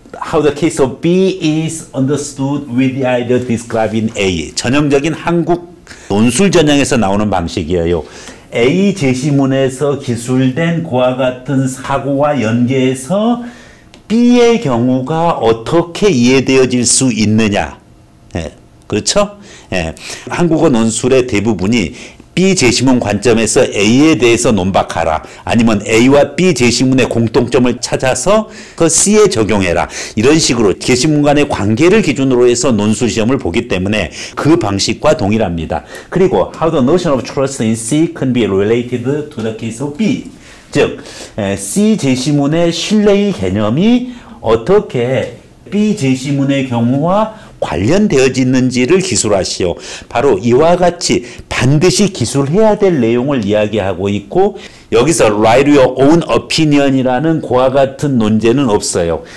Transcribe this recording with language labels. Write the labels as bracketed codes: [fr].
[en] How the case of B is understood with the idea of describing A. [ko] 전형적인 한국 논술 전형에서 나오는 방식이에요. A 제시문에서 기술된 그와 같은 사고와 연계해서 B의 경우가 어떻게 이해되어질 수 있느냐. 예, 그렇죠? 예, 한국어 논술의 대부분이 B 제시문 관점에서 A에 대해서 논박하라. 아니면 A와 B 제시문의 공통점을 찾아서 그 C에 적용해라. 이런 식으로 제시문 간의 관계를 기준으로 해서 논술 시험을 보기 때문에 그 방식과 동일합니다. [en] 그리고 How the notion of trust in C can be related to the case of B. [ko] 즉, C 제시문의 신뢰의 개념이 어떻게 B 제시문의 경우와 관련되어지는지를 기술하시오. 바로 이와 같이 반드시 기술해야 될 내용을 이야기하고 있고 여기서 [en] write your own opinion [ko] 이라는 그와 같은 논제는 없어요.